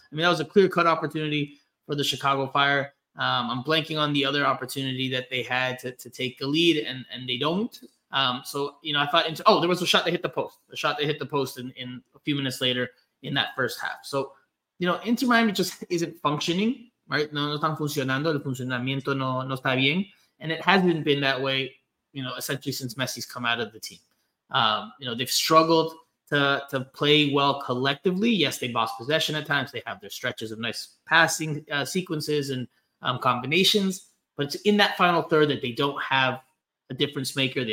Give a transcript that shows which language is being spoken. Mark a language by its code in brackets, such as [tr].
[en] I mean, that was a clear-cut opportunity for the Chicago Fire. I'm blanking on the other opportunity that they had to take the lead, and they don't. So, you know, I thought, there was a shot that hit the post. A shot that hit the post in a few minutes later in that first half. So, you know, Inter Miami just isn't functioning, right? [es] No, no están funcionando. El funcionamiento no está bien. [en] And it hasn't been that way, you know, essentially since Messi's come out of the team. You know, they've struggled to play well collectively. Yes, they boss possession at times. They have their stretches of nice passing sequences and combinations. But it's in that final third that they don't have a difference maker.